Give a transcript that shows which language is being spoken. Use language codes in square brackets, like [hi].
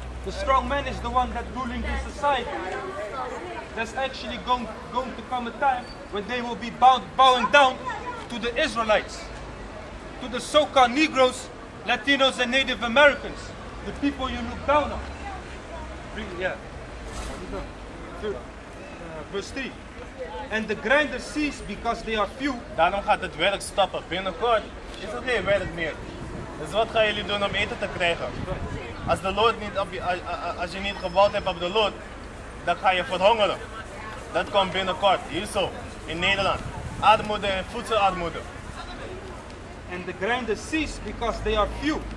[en] The strong man is the one that's ruling the society. There's actually going to come a time when they will be bowing down to the Israelites. To the so-called Negroes, Latinos, and Native Americans. The people you look down on. Verse 3. And the grinders cease because they are few. [nl] Daarom gaat het werk stoppen. Binnenkort is het geen werk meer. Dus wat gaan jullie doen om eten te krijgen? Als de Lord niet als je niet gebouwd hebt op de Lord, dan ga je verhongeren. Dat komt binnenkort, hier zo, in Nederland. Armoede en voedselarmoede. [en] And the grinders cease because they are few.